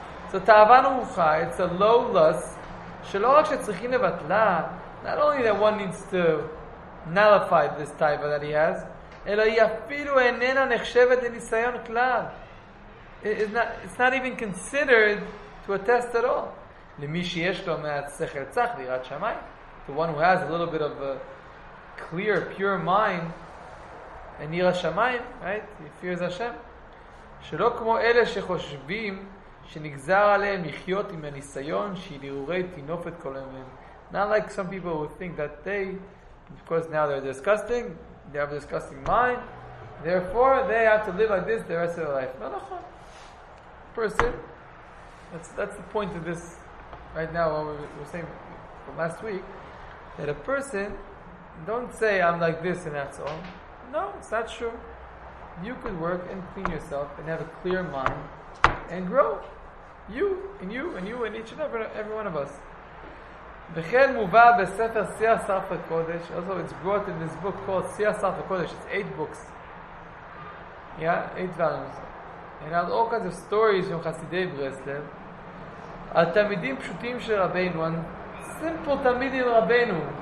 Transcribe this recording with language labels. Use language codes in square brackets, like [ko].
[en] זו תאווה נמוכה, it's a low lust, שלא רק שצריכים לבטלה, not only that one needs to nullify this type that he has, אלא היא אפילו איננה נחשבת לניסיון כלל. It's not even considered to attest at all. למי שיש לו מהסכר צח ויראת שמיים, the one who has a little bit of a clear, pure mind, and יראת שמיים, right? He fears Hashem. [he] שלא כמו אלה שחושבים שנגזר עליהם לחיות עם הניסיון שהיא לרורי תינופת כל היום. [en] Not like some people who think that they, because now they're disgusting, they have a disgusting mind, therefore they have to live like this the rest of their life. No, no, no. Person. That's the point of this right now, what we were saying from last week, that a person, don't say I'm like this and that's all. No, it's not true. You could work and clean yourself and have a clear mind and grow. You and you and you and each and every one of us. [he] וכן מובא בספר שיח סרף הקודש. [en] Also, it's brought in this book called שיח סרף הקודש. It's 8 books. Yeah, 8 volumes. And all kinds of stories from חסידי ברסלב. [he] על תלמידים פשוטים של רבינו. Simple תלמידים רבינו.